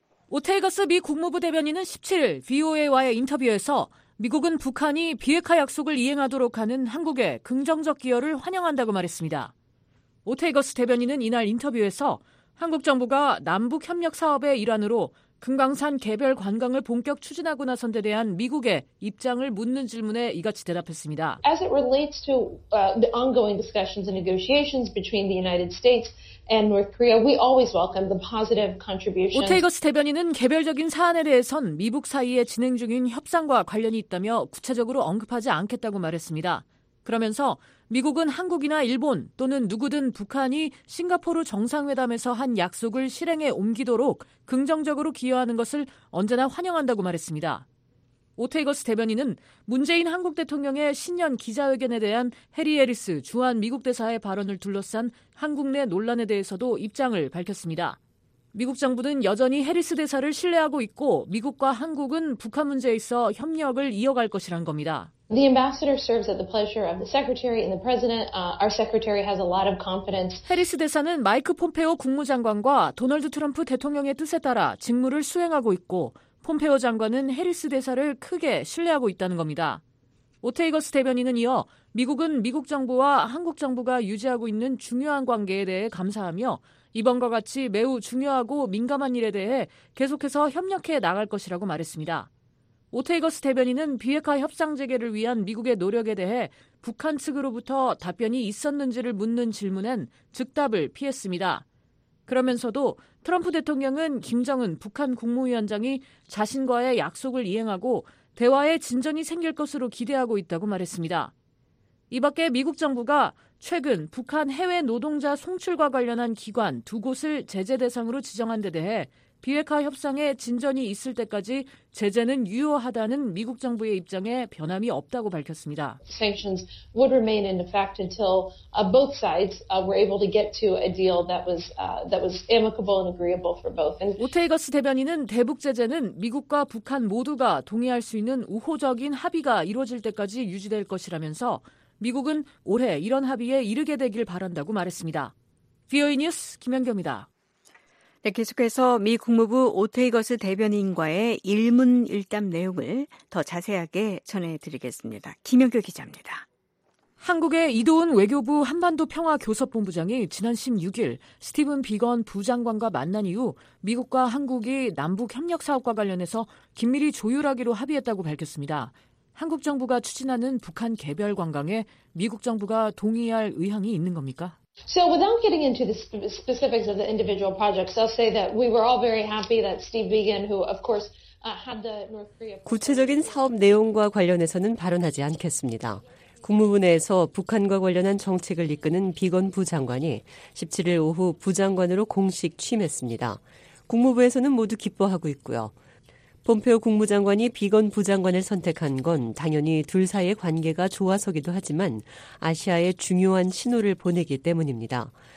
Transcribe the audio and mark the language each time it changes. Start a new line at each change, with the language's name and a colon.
Korean: 오테이거스 미 국무부 대변인은 17일 VOA와의 인터뷰에서 미국은 북한이 비핵화 약속을 이행하도록 하는 한국의 긍정적 기여를 환영한다고 말했습니다. 오테이거스 대변인은 이날 인터뷰에서 한국 정부가 남북협력 사업의 일환으로 금강산 개별 관광을 본격 추진하고 나선 데 대한 미국의 입장을 묻는 질문에 이같이 대답했습니다.
English: As it relates to the ongoing discussions and negotiations between the United States and North Korea, we always welcome the positive contribution.
Korean: 오테이거스 대변인은 개별적인 사안에 대해선 미북 사이에 진행 중인 협상과 관련이 있다며 구체적으로 언급하지 않겠다고 말했습니다. 그러면서 미국은 한국이나 일본 또는 누구든 북한이 싱가포르 정상회담에서 한 약속을 실행에 옮기도록 긍정적으로 기여하는 것을 언제나 환영한다고 말했습니다. 오테이거스 대변인은 문재인 한국 대통령의 신년 기자회견에 대한 해리 해리스 주한 미국 대사의 발언을 둘러싼 한국 내 논란에 대해서도 입장을 밝혔습니다. 미국 정부는 여전히 해리스 대사를 신뢰하고 있고 미국과 한국은 북한 문제에 있어 협력을 이어갈 것이란 겁니다.
English: The ambassador serves at the pleasure of the secretary and the president. Our secretary has a lot of confidence.
Korean: 해리스 대사는 마이크 폼페오 국무장관과 도널드 트럼프 대통령의 뜻에 따라 직무를 수행하고 있고 폼페오 장관은 해리스 대사를 크게 신뢰하고 있다는 겁니다. 오테이거스 대변인은 이어 미국은 미국 정부와 한국 정부가 유지하고 있는 중요한 관계에 대해 감사하며 이번과 같이 매우 중요하고 민감한 일에 대해 계속해서 협력해 나갈 것이라고 말했습니다. 오테이거스 대변인은 비핵화 협상 재개를 위한 미국의 노력에 대해 북한 측으로부터 답변이 있었는지를 묻는 질문엔 즉답을 피했습니다. 그러면서도 트럼프 대통령은 김정은 북한 국무위원장이 자신과의 약속을 이행하고 대화에 진전이 생길 것으로 기대하고 있다고 말했습니다. 이 밖에 미국 정부가 최근 북한 해외 노동자 송출과 관련한 기관 두 곳을 제재 대상으로 지정한 데 대해 비핵화 협상에 진전이 있을 때까지 제재는 유효하다는 미국 정부의 입장에 변함이 없다고 밝혔습니다.
English: Sanctions would remain in effect until both sides were able to get to a deal that was amicable and agreeable for both.
Korean: 오테이거스 대변인은 대북 제재는 미국과 북한 모두가 동의할 수 있는 우호적인 합의가 이루어질 때까지 유지될 것이라면서 미국은 올해 이런 합의에 이르게 되길 바란다고 말했습니다. VOA 뉴스 김연경입니다. 네, 계속해서 미 국무부 오테이거스 대변인과의 일문일답 내용을 더 자세하게 전해드리겠습니다. 김영규 기자입니다. 한국의 이도훈 외교부 한반도평화교섭본부장이 지난 16일 스티븐 비건 부장관과 만난 이후 미국과 한국이 남북협력사업과 관련해서 긴밀히 조율하기로 합의했다고 밝혔습니다. 한국 정부가 추진하는 북한 개별 관광에 미국 정부가 동의할 의향이 있는 겁니까?
English: So without getting into the specifics of the individual projects, I'll say that we were all very happy that Steve Biegun, who of course had the North Korea.
Korean: 구체적인 사업 내용과 관련해서는 발언하지 않겠습니다. 국무부 내에서 북한과 관련한 정책을 이끄는 비건 부장관이 17일 오후 부장관으로 공식 취임했습니다. 국무부에서는 모두 기뻐하고 있고요. 폼페오 국무장관이 비건 부장관을 선택한 건 당연히 둘 사이의 관계가 좋아서기도 하지만 아시아에 중요한 신호를 보내기 때문입니다.